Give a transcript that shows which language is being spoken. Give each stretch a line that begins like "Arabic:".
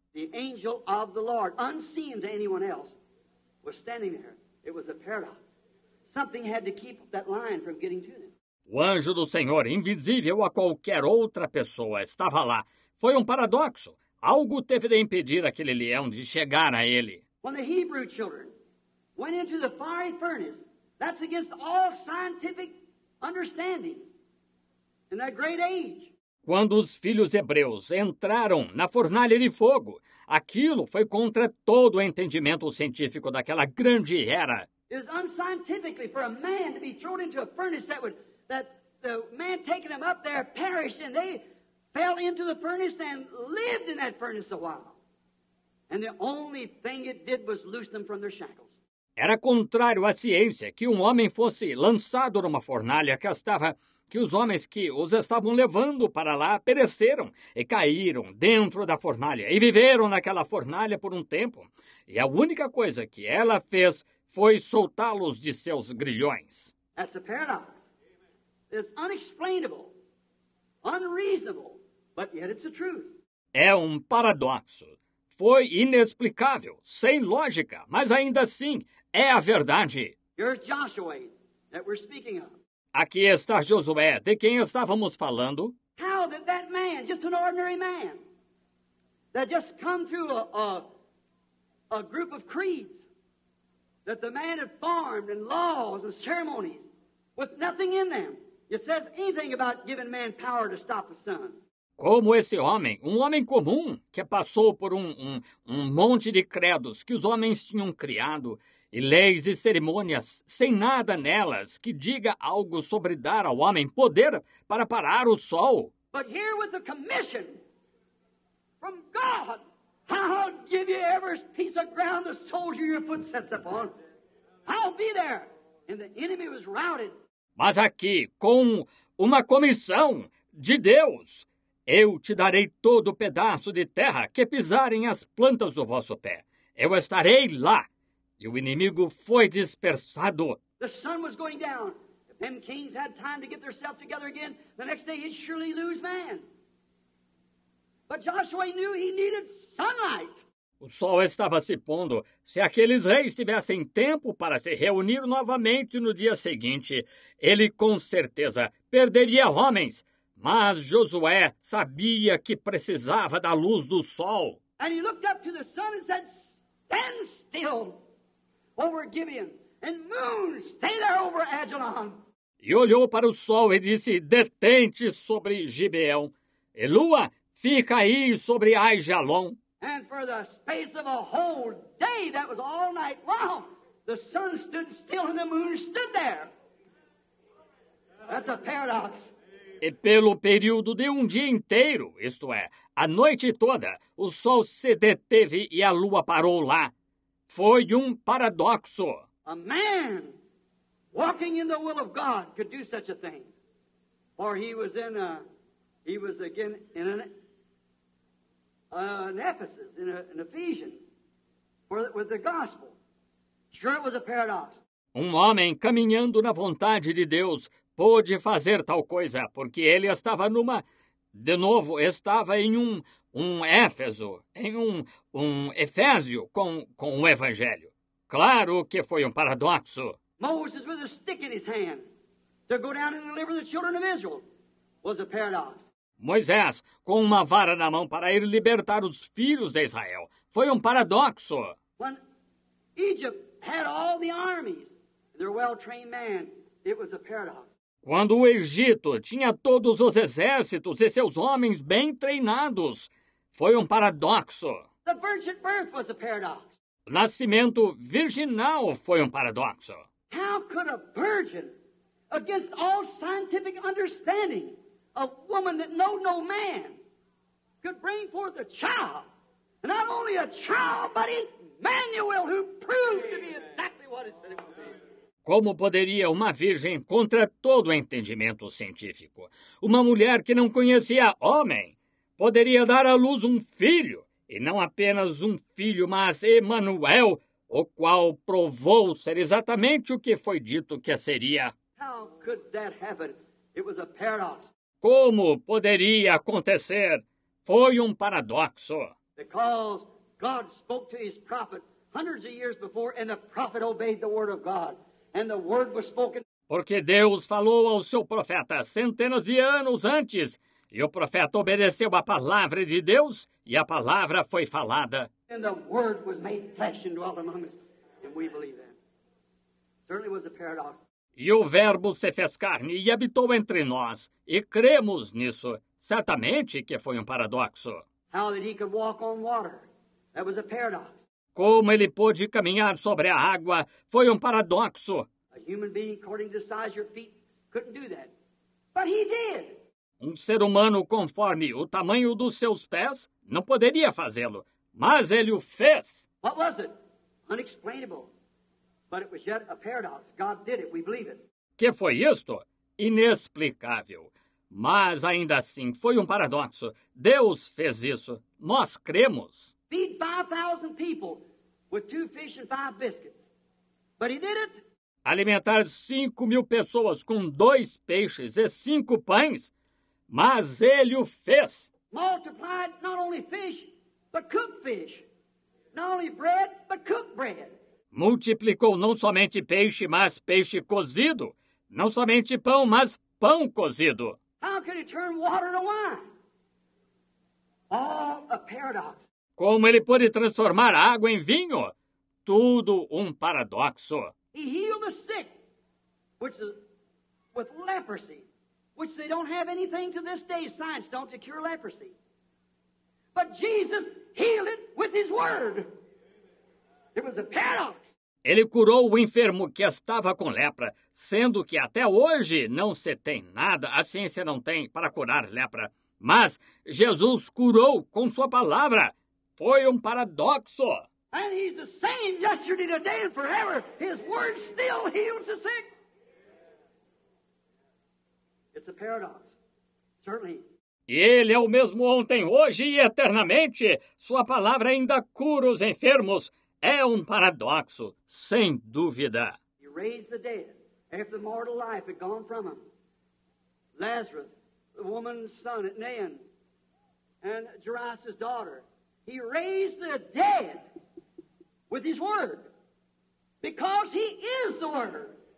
English: The angel of the Lord, unseen to anyone else, was standing there. It was a paradox. Something had to keep that lion from getting to them.
Portuguese: O anjo do Senhor, invisível a qualquer outra pessoa, estava lá. Foi um paradoxo. Algo teve de impedir aquele leão de chegar a ele.
English: When the Hebrew children went into the fiery furnace, that's against all scientific understandings in that great age.
Portuguese: Quando os filhos hebreus entraram na fornalha de fogo, aquilo foi contra todo o entendimento científico daquela grande era.
English: It is unscientifically for a man to be thrown into a furnace that the man taking him up there perished, and they fell into the furnace and lived in that furnace a while. And the only thing it did was loose them from their shackles.
Portuguese: Era contrário à ciência que um homem fosse lançado numa fornalha que os homens que os estavam levando para lá pereceram e caíram dentro da fornalha e viveram naquela fornalha por um tempo. E a única coisa que ela fez foi soltá-los de seus grilhões.
English: That's a paradox. It's unexplainable, unreasonable, but yet it's the truth.
Portuguese: É um paradoxo. Foi inexplicável, sem lógica, mas ainda assim é a verdade.
English: Here's Joshua that we're speaking of.
Portuguese: Aqui está Josué, de quem estávamos falando.
English: How did that man, just an ordinary man, that just come through a group of creeds, that the man had formed and laws and ceremonies with nothing in them. It says anything about giving man power to stop the sun.
Portuguese: Como esse homem, um homem comum, que passou por um monte de credos que os homens tinham criado, e leis e cerimônias, sem nada nelas, que diga algo sobre dar ao homem poder para parar o sol.
English: But here with the commission from God, I'll give you every piece of ground the soldier your foot sets upon. I'll be there. And the enemy was routed.
Portuguese: Mas aqui, com uma comissão de Deus, eu te darei todo o pedaço de terra que pisarem as plantas do vosso pé. Eu estarei lá. E o inimigo foi dispersado.
English: The sun was going down. If them kings had time to get themselves together again, the next day he'd surely lose man. But Joshua knew he needed sunlight.
Portuguese: O sol estava se pondo. Se aqueles reis tivessem tempo para se reunir novamente no dia seguinte, ele com certeza perderia homens. Mas Josué sabia que precisava da luz do sol.
English: And he looked up to the sun and said, "Stand still over Gibeon, and moon, stay there over Ajalon."
Portuguese: E olhou para o sol e disse, "Detente sobre Gibeão, e lua, fica aí sobre Ajalon."
English: And for the space of a whole day, that was all night long, the sun stood still and the moon stood there. That's a paradox.
Portuguese: E pelo período de um dia inteiro, isto é, a noite toda, o sol se deteve e a lua parou lá. Foi um paradoxo.
English: A man walking in the will of God could do such a thing. For he was again in an in Ephesus, in Ephesians, with the gospel. Sure, it was a paradox.
Portuguese: Um homem caminhando na vontade de Deus pôde fazer tal coisa, porque ele estava numa... De novo, estava em um Éfeso, em um Efésio com o Evangelho. Claro que foi um paradoxo.
English: Moses with a stick in his hand to go down and deliver the children of Israel was a paradox.
Portuguese: Moisés, com uma vara na mão para ir libertar os filhos de Israel, foi um paradoxo.
English: When Egypt had all the armies, their well-trained man, it was a paradox.
Portuguese: Quando o Egito tinha todos os exércitos e seus homens bem treinados, foi um paradoxo.
English: The virgin birth was a paradox.
Portuguese: O nascimento virginal foi um paradoxo.
English: How could a virgin, against all scientific understanding, a woman that knew no man, could bring forth a child? And not only a child, but Emmanuel, who proved to be exactly what it said it would be.
Portuguese: Como poderia uma virgem, contra todo entendimento científico, uma mulher que não conhecia homem, poderia dar à luz um filho, e não apenas um filho, mas Emmanuel, o qual provou ser exatamente o que foi dito que seria?
English: How could that happen? It was a paradox.
Portuguese: Como poderia acontecer? Foi um paradoxo.
English: Because God spoke to his prophet hundreds of years before, and the prophet obeyed the word of God. And the word was spoken.
Portuguese: Porque Deus falou ao seu profeta centenas de anos antes, e o profeta obedeceu a palavra de Deus, e a palavra foi falada.
English: And the word was made flesh and dwelt among us, and we believe that. Certainly was a paradox.
Portuguese: E o verbo se fez carne e habitou entre nós, e cremos nisso. Certamente que foi um paradoxo.
English: How that he could walk on water. That was a paradox.
Portuguese: Como ele pôde caminhar sobre a água foi um paradoxo.
English: A human being, according to the size of your feet, couldn't do that. But he did.
Portuguese: Um ser humano, conforme o tamanho dos seus pés, não poderia fazê-lo. Mas ele o fez.
English: What was it? Unexplainable. But it was yet a paradox. God did it. We believe it.
Portuguese: Que foi isto? Inexplicável. Mas ainda assim, foi um paradoxo. Deus fez isso. Nós cremos.
English: Feed 5,000 people with 2 fish and 5 biscuits. But he did it.
Portuguese: Alimentar 5,000 pessoas com 2 peixes e 5 pães. Mas ele o fez.
English: Multiplied not only fish, but cooked fish. Not only bread, but cooked bread.
Portuguese: Multiplicou não somente peixe, mas peixe cozido. Não somente pão, mas pão cozido.
English: How could he turn water to wine? All a paradox.
Portuguese: Como ele pôde transformar água em vinho? Tudo um paradoxo.
English: He healed the sick, which is with leprosy, which they don't have anything to this day, science don't, to cure leprosy. But Jesus healed it with his word. It was a paradox.
Portuguese: Ele curou o enfermo que estava com lepra, sendo que até hoje não se tem nada, a ciência não tem para curar lepra. Mas Jesus curou com sua palavra. Foi um paradoxo.
English: And he's the same yesterday, today, and forever. His word still heals the sick. It's a paradox. Certainly.
Portuguese: E ele é o mesmo ontem, hoje e eternamente. Sua palavra ainda cura os enfermos. É um paradoxo, sem dúvida.
English: He raised the dead after the mortal life had gone from him. Lazarus, the woman's son, at Nain, and Jairus' daughter. He raised the dead with his word, because he is the word.